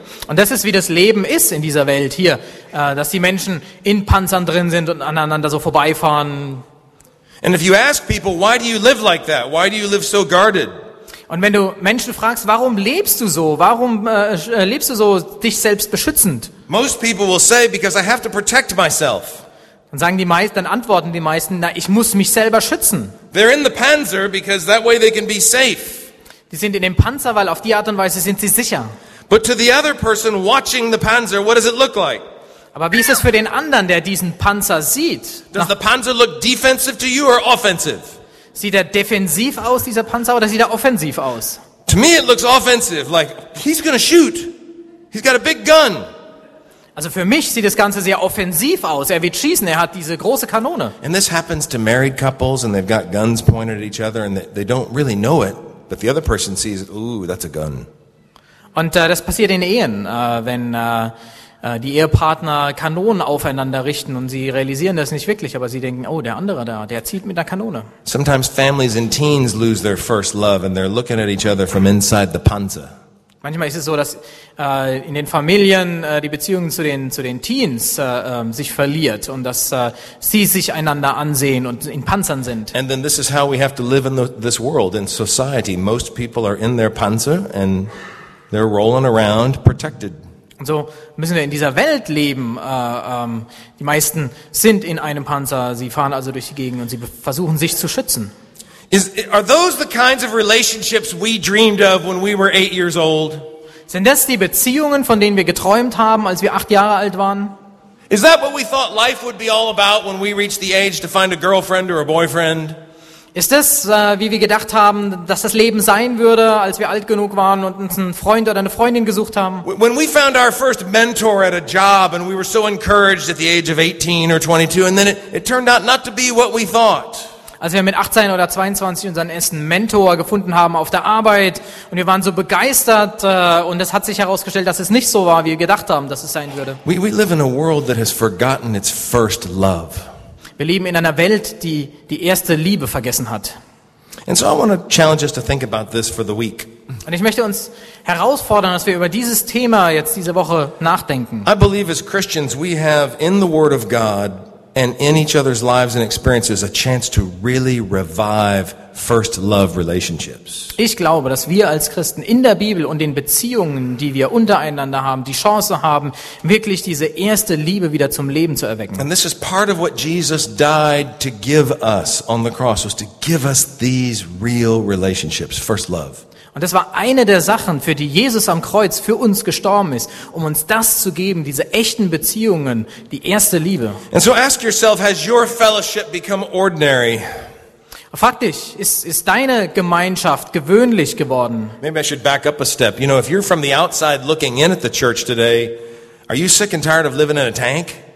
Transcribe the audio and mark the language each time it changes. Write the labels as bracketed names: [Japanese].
[German] Und das ist, wie das Leben ist in dieser Welt hier, dass die Menschen in Panzern drin sind und aneinander so vorbeifahren. [English] And if you ask people, why do you live like that? Why do you live so guarded? [German] Und wenn du Menschen fragst, warum lebst du so? Warum lebst du so dich selbst beschützend? [English] Most people will say, because I have to protect myself. [German] Dann antworten die meisten, na, ich muss mich selber schützen. [English] They're in the Panzer because that way they can be safe. [German] Die sind in dem Panzer, weil auf die Art und Weise sind sie sicher. [English] But to the other person watching the Panzer, what does it look like? [German] Aber wie ist es für den anderen, der diesen Panzer sieht? [English] Does the Panzer look defensive to you or offensive? [German] Sieht er defensiv aus, dieser Panzer, oder sieht er offensiv aus? [English] To me it looks offensive, like he's gonna shoot. He's got a big gun. [German] Also für mich sieht das Ganze sehr offensiv aus. Er wird schießen, er hat diese große Kanone. [English] And this happens to married couples and they've got guns pointed at each other and they don't really know it, but the other person sees, ooh, that's a gun. [German] Und das passiert in Ehen, wenn die Ehepartner Kanonen aufeinander richten und sie realisieren das nicht wirklich, aber sie denken, oh, der andere da, der zielt mit einer Kanone. [English] Sometimes families and teens lose their first love and they're looking at each other from inside the Panzer. [German] Manchmal ist es so, dass in den Familien die Beziehung zu den Teens sich verliert und dass sie sich einander ansehen und in Panzern sind. [English] And then this is how we have to live in this world, in society. Most people are in their Panzer and they're rolling around protected. [German] Und so müssen wir in dieser Welt leben. Die meisten sind in einem Panzer. Sie fahren also durch die Gegend und sie versuchen, sich zu schützen. [English] Are those the kinds of relationships we dreamed of when we were 8 years old? [German] Sind das die Beziehungen, von denen wir geträumt haben, als wir 8 Jahre alt waren? [English] Is that what we thought life would be all about when we reached the age to find a girlfriend or a boyfriend? [German] Ist das, wie wir gedacht haben, dass das Leben sein würde, als wir alt genug waren und uns einen Freund oder eine Freundin gesucht haben? [English] When we found our first mentor at a job and we were so encouraged at the age of 18 or 22 and then it turned out not to be what we thought. [German] Als wir mit 18 oder 22 unseren ersten Mentor gefunden haben auf der Arbeit und wir waren so begeistert und es hat sich herausgestellt, dass es nicht so war, wie wir gedacht haben, dass es sein würde. [English] We live in a world that has forgotten its first love. [German] Wir leben in einer Welt, die die erste Liebe vergessen hat. [English] And so I want to challenge us to think about this for the week. [German] Und ich möchte uns herausfordern, dass wir über dieses Thema jetzt diese Woche nachdenken. [English] I believe as Christians we have in the Word of God and in each other's lives and experiences a chance to really revive first love relationships. [German] Ich glaube, dass wir als Christen in der Bibel und den Beziehungen, die wir untereinander haben, die Chance haben, wirklich diese erste Liebe wieder zum Leben zu erwecken. [English] And this is part of what Jesus died to give us on the cross, was to give us these real relationships, first love. [German] Und das war eine der Sachen, für die Jesus am Kreuz für uns gestorben ist, um uns das zu geben, diese echten Beziehungen, die erste Liebe. [English] And so ask yourself, has your fellowship become ordinary? [German] Frag dich, ist deine Gemeinschaft gewöhnlich geworden? [English] Maybe I should back up a step. You know, if you're from the outside looking in at the church today, are you sick and tired of living in a tank?